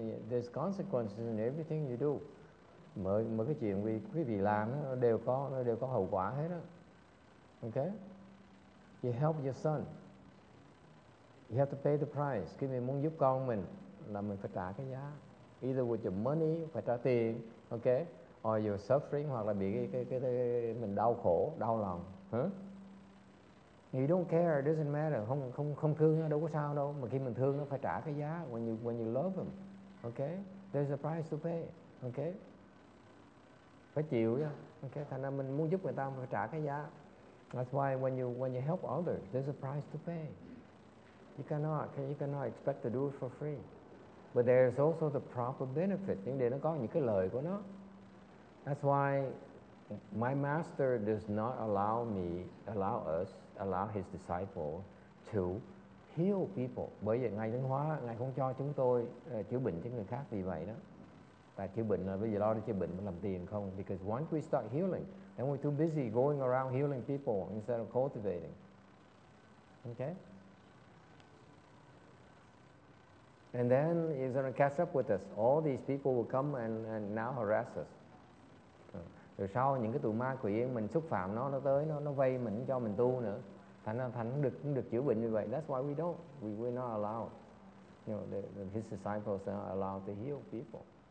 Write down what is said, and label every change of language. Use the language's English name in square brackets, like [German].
[English] There's consequences in everything you do. [Vietnamese] Mọi cái chuyện quý vị làm đó, nó đều có hậu quả hết đó. [English] Okay? You help your son, you have to pay the price. [Vietnamese] Khi mình muốn giúp con mình là mình phải trả cái giá. [English] Either with your money, [Vietnamese] phải trả tiền. Okay? [English] Or you're suffering, [Vietnamese] hoặc là bị cái mình đau khổ, đau lòng. Huh? [English] You don't care, it doesn't matter. [Vietnamese] Không thương nó đâu có sao đâu. Mà khi mình thương nó phải trả cái giá. [English] When you love him, okay? There's a price to pay, okay? [Vietnamese] Phải chịu nha. [English] Okay? [Vietnamese] Thành ra mình muốn giúp người ta phải trả cái giá. [English] That's why when you help others, there's a price to pay. You cannot expect to do it for free. But there's also the proper benefit. [Vietnamese] Nhưng để nó có những cái lợi của nó. [English] That's why my master does not allow his disciple to heal people. [Vietnamese] Bởi vì Ngài Tấn Hóa, Ngài không cho chúng tôi chữa bệnh cho người khác vì vậy đó. Tại chữa bệnh, bây giờ lo đi chữa bệnh mà làm tiền không. [English] Because once we start healing, then we're too busy going around healing people instead of cultivating. Okay? And then he's going to catch up with us. All these people will come and now harass us. [Vietnamese] Rồi sau những cái tụi ma quỷ mình xúc phạm nó tới nó vây mình cho mình tu nữa, thành được chữa bệnh như vậy. [English] That's why we're not allowed, you know, his disciples are not allowed to heal people.